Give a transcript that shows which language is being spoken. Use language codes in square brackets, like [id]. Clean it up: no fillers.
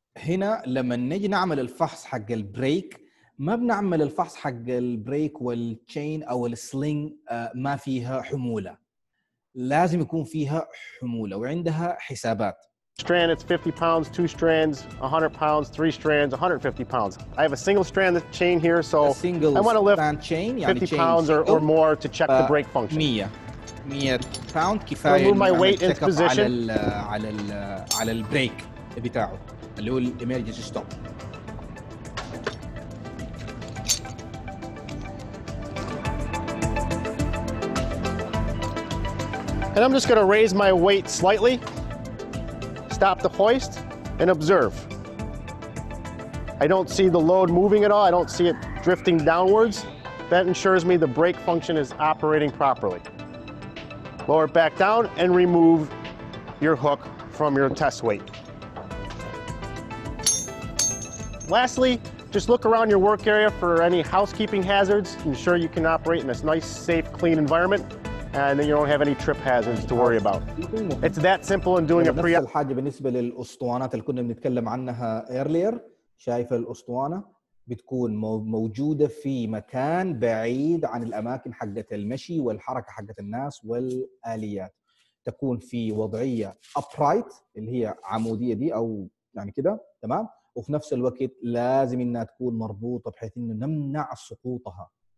[ar] هنا لما نيجي نعمل الفحص حق البريك ما بنعمل الفحص حق البريك والتشين او السلينج ما فيها حموله لازم يكون فيها حموله وعندها حسابات [en] strand it's 50 pounds two strands 100 pounds three strands 150 pounds I have a single strand of chain here so I want to lift chain, 50 pounds chain. Or more to check the brake function 100 pound [ar] كفايه [en] move my weight into position [ar] على البريك بتاعه اللي هو الامرجنسي ستوب [en] And I'm just going to raise my weight slightly stop the hoist and observe I don't see the load moving at all I don't see it drifting downwards that ensures me the brake function is operating properly Lower it back down and remove your hook from your test weight. Lastly, just look around your work area for any housekeeping hazards. Ensure you can operate in this nice, safe, clean environment, and then you don't have any trip hazards to worry about. It's that simple in doing a pre-op. [ar] نفس الحاجة بالنسبة للأسطوانات اللي كنا بنتكلم عنها earlier. شايف الأسطوانة بتكون موجودة في مكان بعيد عن الأماكن حقة المشي والحركة حقة الناس والآليات تكون في وضعية upright اللي هي عمودية دي أو يعني كده تمام وفي نفس الوقت لازم إنها تكون مربوطة بحيث إنه نمنع سقوطها